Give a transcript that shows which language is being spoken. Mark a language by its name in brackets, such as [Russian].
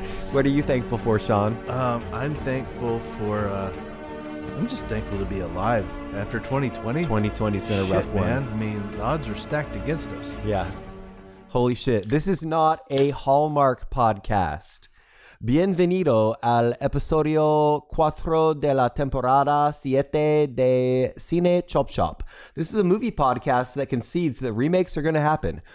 [English] What are you thankful for, Sean? I'm thankful for, I'm just thankful to be alive after 2020. 2020's been a rough one. Man, I mean, the odds are stacked against us. Yeah. Holy shit. This is not a Hallmark podcast. [Spanish] Bienvenido al episodio 4 de la temporada 7 de Cine Chop Shop. [English] This is a movie podcast that concedes that remakes are going to happen.